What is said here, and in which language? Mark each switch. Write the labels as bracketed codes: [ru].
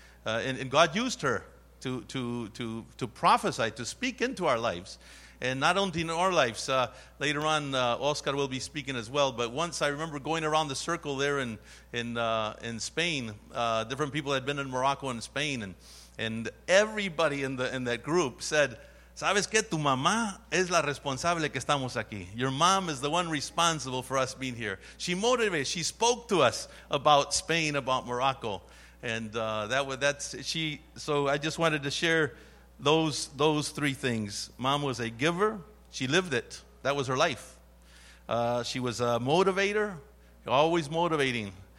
[en] And God used her to prophesy, to speak into our lives. And not only in our lives, later on, Oscar will be speaking as well. But once I remember going around the circle there in Spain, different people had been in Morocco and Spain, and everybody in that group said, [es] ¿Sabes qué? Tu mamá es la responsable que estamos aquí. [en] Your mom is the one responsible for us being here. She motivated, she spoke to us about Spain, about Morocco. And so I just wanted to share those three things. Mom was a giver. She lived it. That was her life. She was a motivator, always motivating.